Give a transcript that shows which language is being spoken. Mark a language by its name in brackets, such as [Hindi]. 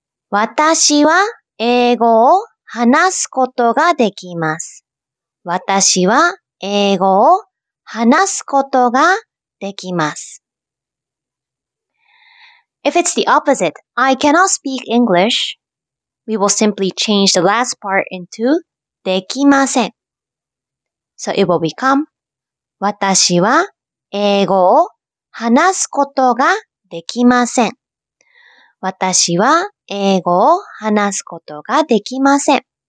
[Japanese] 私は英語を話すことができます。私は英語を話すことができます。 [English] If it's the opposite, I cannot speak English, we will simply change the last part into できません。 So it will become [Japanese] 私は英語を話すことができません。私は英語を話すことができません。